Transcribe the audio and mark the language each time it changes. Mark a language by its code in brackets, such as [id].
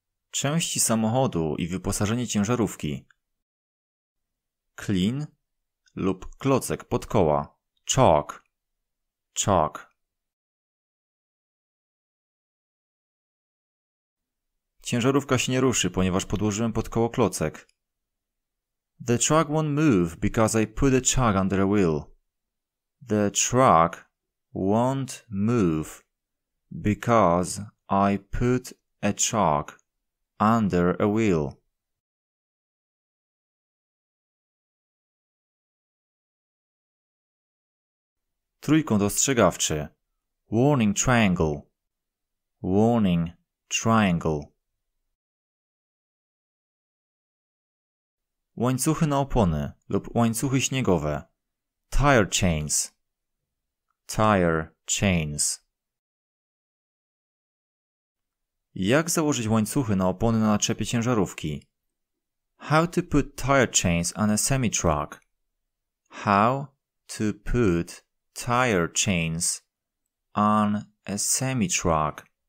[pl] Części samochodu i wyposażenie ciężarówki. Klin lub klocek pod koła. [en] Chalk. Chalk. [pl] Ciężarówka się nie ruszy, ponieważ podłożyłem pod koło klocek. [en] The truck won't move because I put a chalk under a wheel. The truck won't move because I put a chalk under a wheel. [pl] Trójkąt ostrzegawczy. [en] Warning triangle. Warning triangle. [pl] Łańcuchy na opony lub łańcuchy śniegowe. [en] Tire chains. Tire chains. [pl] Jak założyć łańcuchy na opony na naczepie ciężarówki? [en] How to put tire chains on a semi-truck. How to put tire chains on a semi-truck.